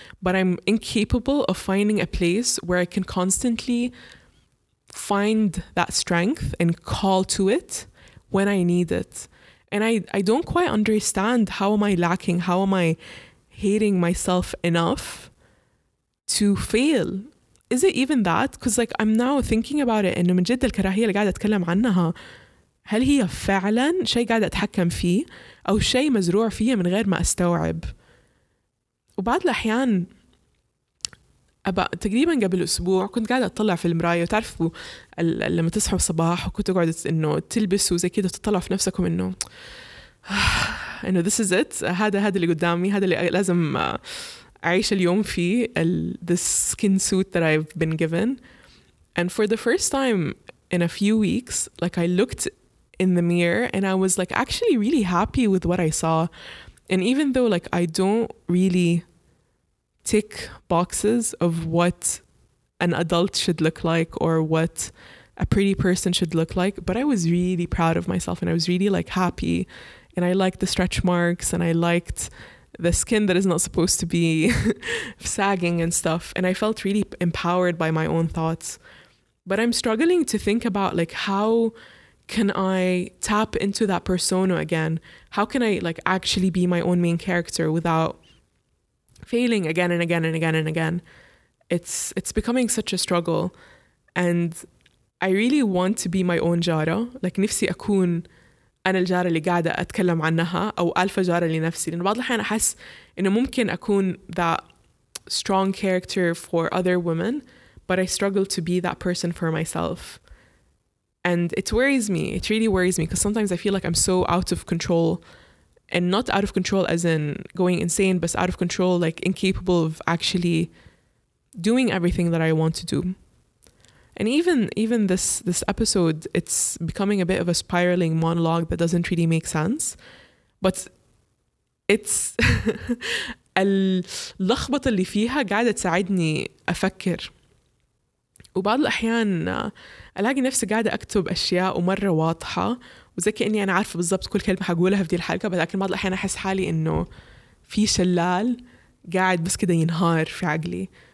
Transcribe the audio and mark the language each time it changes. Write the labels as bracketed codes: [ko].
[en] But I'm incapable of finding a place where I can constantly find that strength and call to it when I need it. And I don't quite understand how am I lacking, how am I hating myself enough to fail. Is it even that? Because like I'm now thinking about it, [ar] إنه من جد الكراهية اللي قاعدة أتكلم عنها, هل هي فعلا شيء قاعدة أتحكم فيه أو شيء مزروع فيه من غير ما أستوعب؟ وبعض الأحيان تقريبا قبل أسبوع كنت قاعدة أطلع في المراية, وتعرفوا لما تصحوا صباح وكنت قاعدة إنه تلبس وزي كده تطلع في نفسكم إنه [en] this is it, [ar] هذا اللي قدامي, هذا اللي لازم عايش اليوم فيه, [en] this skin suit that I've been given. And for the first time in a few weeks, like I looked in the mirror and I was like actually really happy with what I saw. And even though like I don't really tick boxes of what an adult should look like or what a pretty person should look like, but I was really proud of myself and I was really like happy, and I liked the stretch marks and I liked the skin that is not supposed to be sagging and stuff. And I felt really empowered by my own thoughts. But I'm struggling to think about like, how can I tap into that persona again? How can I like actually be my own main character without failing again and again and again and again? It's becoming such a struggle. And I really want to be my own Jara. [ar] Like نفسي أكون أنا الجارة اللي قاعدة أتكلم عنها أو ألف جارة لنفسي, لأن بعض الأحيان أحس إنه ممكن أكون [en] that strong character for other women, but I struggle to be that person for myself. And it worries me. It really worries me because sometimes I feel like I'm so out of control, and not out of control as in going insane, but out of control, like incapable of actually doing everything that I want to do. And even this episode, it's becoming a bit of a spiraling monologue that doesn't really make sense. But it's [ar] اللخبطة اللي فيها قاعدة تساعدني أفكر. وبعض الأحيان ألاقي نفسي قاعدة أكتب أشياء ومرة واضحة وزي كأني أنا عارفة بالضبط كل كلمة حقولها في دي الحلقة, ولكن بعض الأحيان أحس حالي إنه في شلال قاعد بس كده ينهار في عقلي.